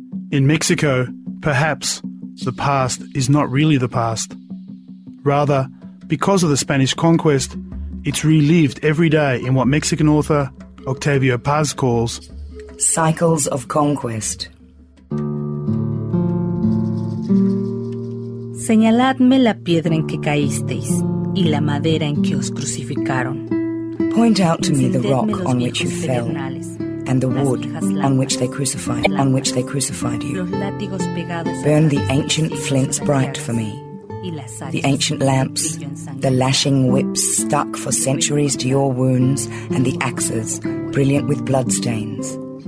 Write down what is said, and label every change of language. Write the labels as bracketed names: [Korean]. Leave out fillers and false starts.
[English] In Mexico, perhaps, the past is not really the past. Rather, because of the Spanish conquest, it's relived every day in what Mexican author Octavio Paz calls cycles of conquest. [Spanish] Señaladme la piedra en que caísteis y la madera en que os crucificaron. [English] Point out to me the rock on which you fell, and the wood on which they crucified you. Burn the ancient flints bright for me, the ancient lamps, the lashing whips stuck for centuries to your wounds, and the axes, brilliant with bloodstains.